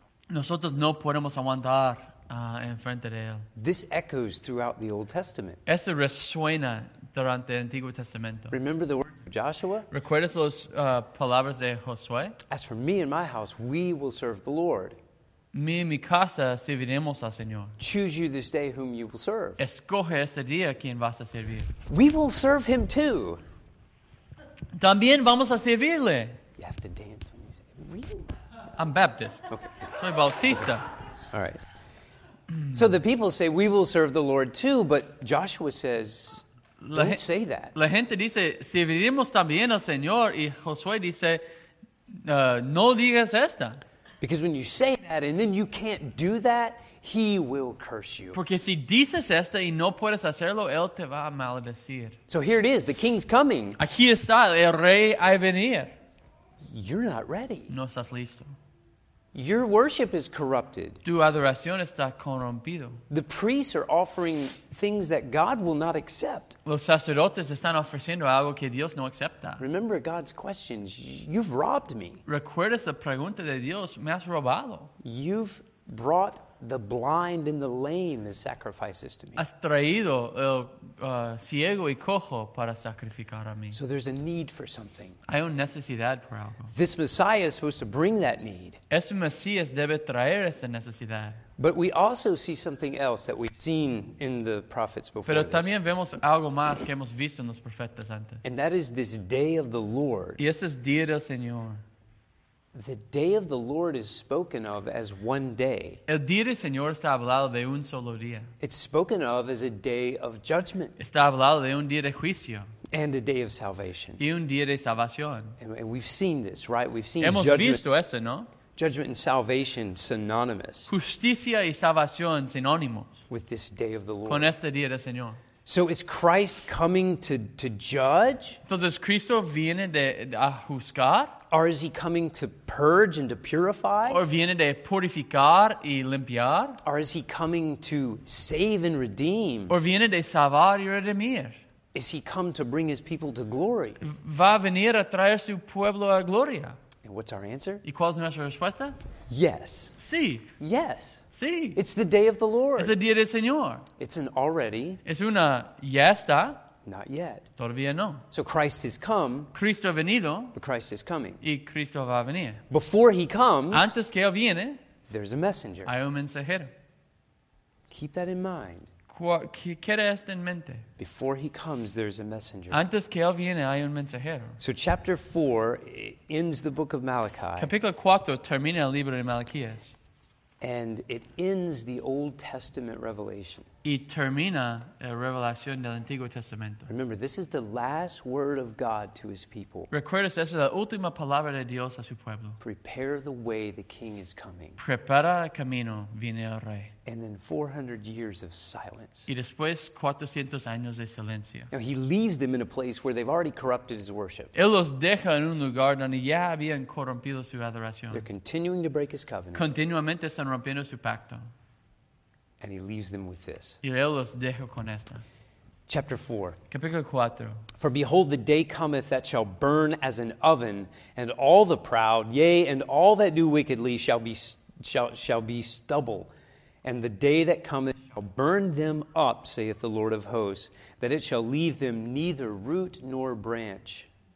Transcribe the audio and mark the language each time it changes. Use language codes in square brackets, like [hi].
[es] Nosotros no podemos aguantar en frente de él. [en] This echoes throughout the Old Testament. [es] Eso resuena durante el Antiguo Testamento. [en] Remember the words of Joshua? [es] ¿Recuerdas las palabras de Josué? [en] As for me and my house, we will serve the Lord. [es] Mí y mi casa serviremos al Señor. [en] Choose you this day whom you will serve. [es] Escoge este día quien vas a servir. [en] We will serve him too. [es] También vamos a servirle. [en] You have to dance when you say, we? I'm Baptist. Okay. [es] Soy Bautista. [en] All right. So the people say, we will serve the Lord too, but Joshua says, don't say that. [es] La gente dice, serviremos también al Señor, y Josué dice, no digas esta. [en] Because when you say that and then you can't do that, he will curse you. [es] Porque si dices esto y no puedes hacerlo, él te va a maldecir. [en] So here it is, the king's coming. [es] Aquí está, el rey a venir. [en] You're not ready. [es] No estás listo. [en] Your worship is corrupted. [es] Tu adoración está corrompido. [en] The priests are offering things that God will not accept. [es] Los sacerdotes están ofreciendo algo que Dios no acepta. [en] Remember God's questions. You've robbed me. [es] Recuerdas la pregunta de Dios. Me has robado. [en] You've brought the blind and the lame as sacrifices to me. [es] Has traído el ciego y cojo para sacrificar a mí. [en] So there's a need for something. [es] Hay una necesidad por algo. [en] This Messiah is supposed to bring that need. [es] Este Mesías debe traer esa necesidad. [en] But we also see something else that we've seen in the prophets before. [es] Pero también [en] this. [es] Vemos algo más que hemos visto en los profetas antes. [en] And that is this day of the Lord. [es] Y ese es día del Señor. [en] The day of the Lord is spoken of as one day. [es] El día del Señor está hablado de un solo día. [en] It's spoken of as a day of judgment. [es] Está hablado de un día de juicio. [en] And a day of salvation. [es] Y un día de salvación. [en] And we've seen this, right? We've seen [es] Hemos [en] judgment. [es] Visto eso, ¿no? [en] Judgment and salvation synonymous. [es] Justicia y salvación sinónimos. [en] With this day of the Lord. [es] Con este día del Señor. [en] So is Christ coming to judge? [es] Entonces, ¿Cristo viene a juzgar? [en] Or is he coming to purge and to purify? [es] ¿O viene de purificar y limpiar? [en] Or is he coming to save and redeem? [es] ¿O viene de salvar y redimir? [en] Is he come to bring his people to glory? [es] ¿Va a venir a traer su pueblo a gloria? [en] And what's our answer? [es] ¿Y cuál es nuestra respuesta? [en] Yes. [es] Sí. [en] Yes. [es] Sí. [en] It's the day of the Lord. [es] Es el día del Señor. [en] It's an already. [es] Es una ya está. [en] Not yet. [es] Todavía no. [en] So Christ has come. [es] Cristo ha venido. [en] But Christ is coming. [es] Y Cristo va a venir. [en] Before he comes. [es] Antes que él viene. [en] There's a messenger. [es] Hay un mensajero. [en] Keep that in mind. [es] Queda esto en mente. [en] Before he comes, there's a messenger. [es] Antes que él viene, hay un mensajero. [en] So chapter 4 ends the book of Malachi. [es] Capítulo 4 termina el libro de Malaquías. [en] And it ends the Old Testament revelation. [es] Y termina la revelación del Antiguo Testamento. [en] Remember, this is the last word of God to his people. [es] Recuerdas, esa es la última palabra de Dios a su pueblo. [en] Prepare the way the king is coming. [es] Prepara el camino, viene el rey. [en] And then 400 years of silence. [es] Y después 400 años de silencio. [en] Now he leaves them in a place where they've already corrupted his worship. [es] Él los deja en un lugar donde ya habían corrompido su adoración. [en] They're continuing to break his covenant. [es] Continuamente están rompiendo su pacto. [en] And he leaves them with this. [es] Y él los dejó con esta. [en] Chapter 4. [es] Capítulo 4. [en] For behold, the day cometh that shall burn as an oven, and all the proud, yea, and all that do wickedly shall be stubble. And the day that cometh shall burn them up, saith the Lord of hosts, that it shall leave them neither root nor branch.